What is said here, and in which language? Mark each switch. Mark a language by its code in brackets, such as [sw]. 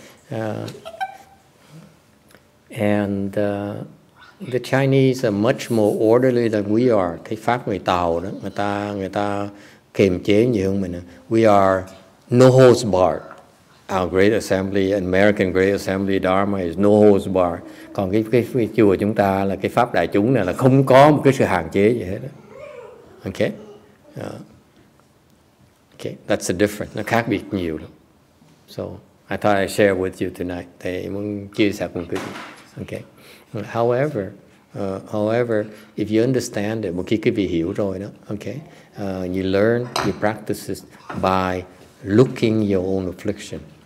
[en] The Chinese are much more orderly than we are. [vi] Cái pháp người Tàu đó, người ta kiềm chế nhiều hơn mình. [en] We are... No holds barred. Our great assembly, American great assembly, Dharma is no holds barred. [vi] Còn cái chùa chúng ta là cái pháp đại chúng này là không có một cái sự hạn chế gì hết. [en] Okay? [vi] Okay, [en] that's the difference. [vi] Nó khác biệt nhiều lắm. [en] So, I thought I'd share with you tonight. [vi] Thầy muốn chia sẻ cùng quý vị. Okay? [en] However, if you understand it, [vi] một khi quý vị hiểu rồi đó, okay? [en] You learn, you practice it by looking your own affliction.